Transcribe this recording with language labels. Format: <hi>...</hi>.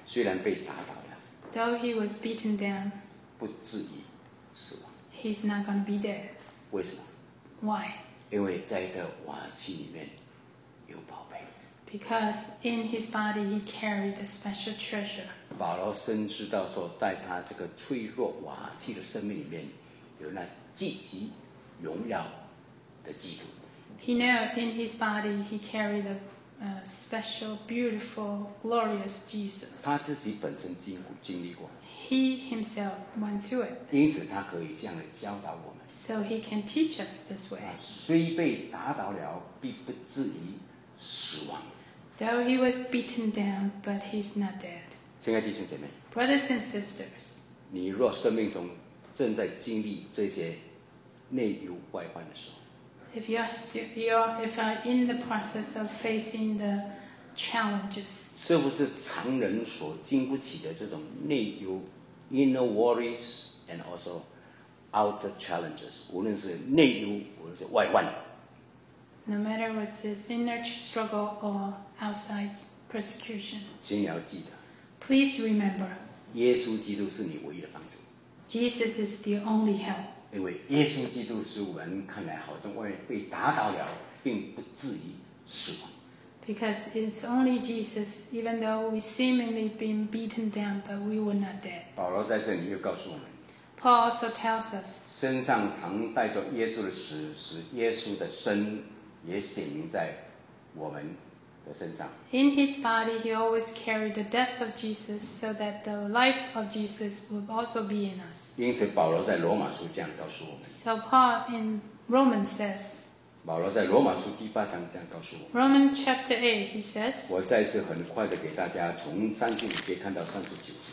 <zh>虽然被打倒了</zh> <en>Though he was beaten down</en> <zh>不至于死亡</zh> <en>He's not going to be dead</en> <zh>为什么</zh> <en>Why</en> <zh>因为在这瓦器里面有宝贝</zh> <en>Because in his body he carried a special treasure</en> <zh>保罗深知到说在他这个脆弱瓦器的生命里面有那积极荣耀的基督。</zh> <en>He knew in his body he carried a special, beautiful, glorious Jesus.</en> <zh>他自己本身经历过。</zh> <en>He himself went through it.</en> <zh>因此他可以这样来教导我们。</zh> <en>So he can teach us this way.</en> <zh>虽被打倒了，必不至于死亡。</zh> <en>Though he was beaten down, but he's not dead.</en> <zh>亲爱弟兄姐妹。</zh> <en>Brothers and sisters.</en> <zh>你若生命中正在经历这些内忧外患的时候</zh> <en>if you are in the process of facing the challenges</en> <zh>是不是常人所经不起的这种内忧</zh> <en>inner worries and also outer challenges</en> <zh>无论是内忧无论是外患</zh> <en>no matter what's its inner struggle or outside persecution</en> <zh>请你要记得</zh> <en>please remember</en> <zh>耶稣基督是你唯一的帮助</zh> <en>Jesus is the only help.</en> <zh>因为耶稣基督使我们看来好像外面被打倒了，并不至于死亡。</zh> <en>Because it's only Jesus, even though we seemingly been beaten down, but we were not dead.</en> <zh>保罗在这里又告诉我们。</zh> <en>Paul also tells us.</en> <zh>身上常带着耶稣的死，使耶稣的身也显明在我们的身上。</zh> <en>In his body, he always carried the death of Jesus, so that the life of Jesus would also be in us.</en> <zh>因此，保罗在罗马书这样告诉我们。</zh> <en>So Paul in Romans says,</en> <zh>保罗在罗马书第八章这样告诉我。</zh> <en>Roman chapter 8, he says.</en> <zh>我再次很快的给大家从35节看到39节。</zh>